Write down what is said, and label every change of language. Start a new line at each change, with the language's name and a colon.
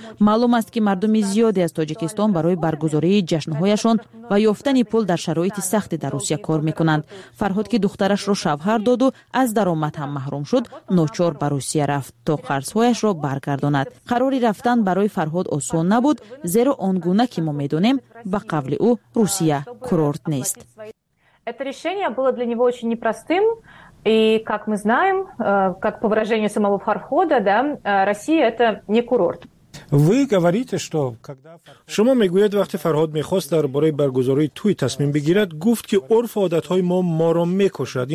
Persian: معلوم است که مردم زیادی از تاجیکستان برای برگزاری جشن هایشان و یافتن پول در شرایط سخت در روسیه کار میکنند. فرهاد که دخترش را شوهر داد و از درآمد هم محروم شد، ناچار به روسیه رفت تا قرضهایش را برگرداند. قراری رفتن برای فرهاد آسان نبود، زیرا آن گونه که ما میدونیم به قول او روسیه курорт نیست.
Russian: Это решение было для него очень непростым, и как мы знаем, как по выражению самого Фархода, да, Россия это не курорт. Вы говорите, что когда
Tajik: Шумо мегуед вақти Фарҳод мехост дар бораи баргузории туй тасмим бигирад, гуфт ки орф одатҳои мо моро мекушад.